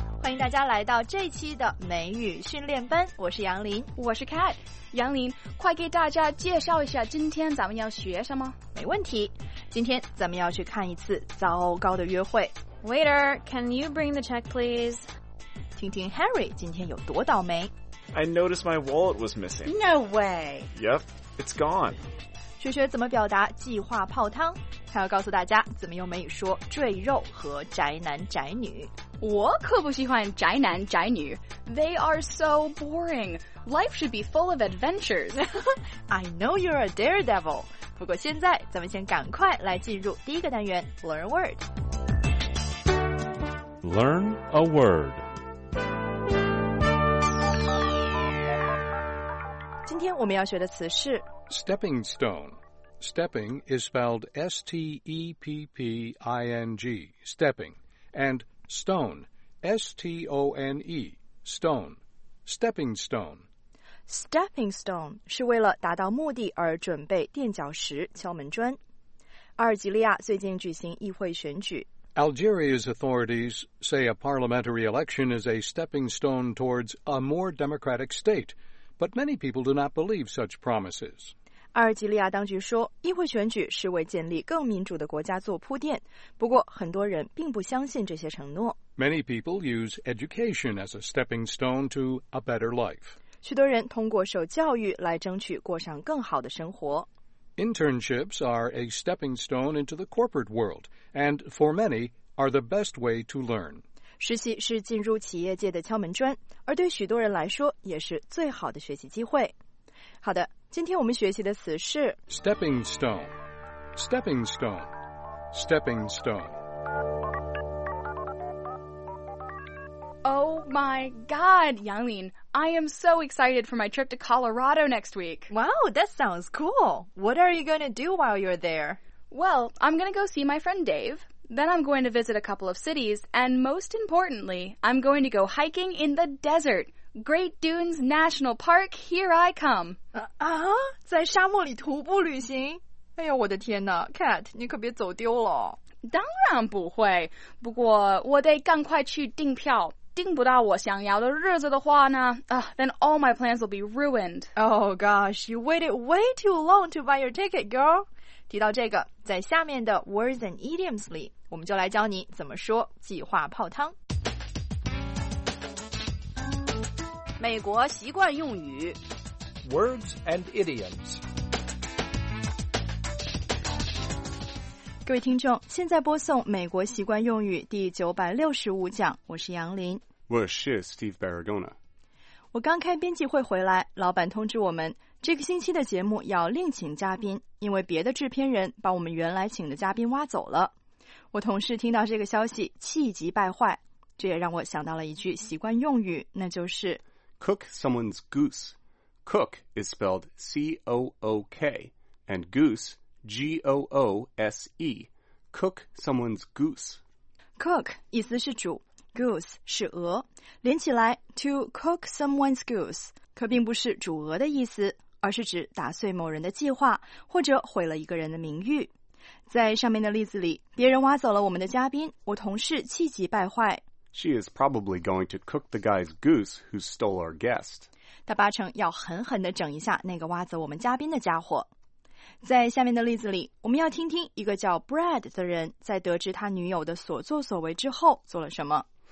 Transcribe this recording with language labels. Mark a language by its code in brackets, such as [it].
[zh] 迎大家来到这期的美语训练班，我是杨林。我是 Kat。杨林，快给大家介绍一下今天咱们要学什么。没问题，今天咱们要去看一次糟糕的约会。 [en] Waiter, can you bring the check please? [zh] 听听 Harry 今天有多倒霉。 [en] I noticed my wallet was missing. No way. Yep, it's gone. [zh] 学学怎么表达计划泡汤，还要告诉大家怎么用美语说赘肉和宅男宅女。我可不喜欢宅男宅女。 [en] They are so boring. Life should be full of adventures. I know you're a daredevil. [zh] 不过现在咱们先赶快来进入第一个单元 [en] Learn a word. Learn a word. [zh] 今天我们要学的词是 [en] Stepping stone. Stepping is spelled S-T-E-P-P-I-N-G. Stepping. AndStone, S-T-O-N-E, stone, stepping stone. [zh] Stepping stone 是为了达到目的而准备垫脚石、敲门砖。阿尔及利亚最近举行议会选举。 [en] Algeria's authorities say a parliamentary election is a stepping stone towards a more democratic state, but many people do not believe such promises. [zh] 阿尔及利亚当局说，议会选举是为建立更民主的国家做铺垫，不过很多人并不相信这些承诺。 [en] Many people use education as a stepping stone to a better life. [zh] 许多人通过受教育来争取过上更好的生活。 [en] Internships are a stepping stone into the corporate world, and for many are the best way to learn. [zh] 实习是进入企业界的敲门砖，而对许多人来说也是最好的学习机会。好的，今天我们学习的词是 [en] Stepping stone, stepping stone, stepping stone. Oh my god, Yanglin, I am so excited for my trip to Colorado next week. Wow, that sounds cool. What are you going to do while you're there? Well, I'm going to go see my friend Dave. Then I'm going to visit a couple of cities. And most importantly, I'm going to go hiking in the desert. Great Dunes National Park, here I come. [zh] 啊、在沙漠里徒步旅行？哎呦，我的天哪 ，Cat， 你可别走丢了。当然不会，不过我得赶快去订票。订不到我想要的日子的话呢？ [en] then all my plans will be ruined. Oh gosh, you waited way too long to buy your ticket, girl. [zh] 提到这个，在下面的 Words and Idioms 里，我们就来教你怎么说计划泡汤。美国习惯用语 [en] Words and Idioms。 [zh] 各位听众，现在播送美国习惯用语第965讲，我是杨林。我是 Steve Barragona。我刚开编辑会回来，老板通知我们这个星期的节目要另请嘉宾，因为别的制片人把我们原来请的嘉宾挖走了。我同事听到这个消息气急败坏，这也让我想到了一句习惯用语，那就是 [en] Cook someone's goose. Cook is spelled C-O-O-K, and goose, G-O-O-S-E. Cook someone's goose. [zh] Cook 意思是煮， goose 是鹅，连起来 to cook someone's goose 可并不是煮鹅的意思，而是指打碎某人的计划，或者毁了一个人的名誉。在上面的例子里，别人挖走了我们的嘉宾，我同事气急败坏。 [en] She is probably going to cook the guy's goose who stole our guest. [zh] 她八成要狠狠地整一下那个挖走我们嘉宾的家伙。在下面的例子里，我们要听听一个叫 Brad 的人在得知他女友的所作所为之后做了什么。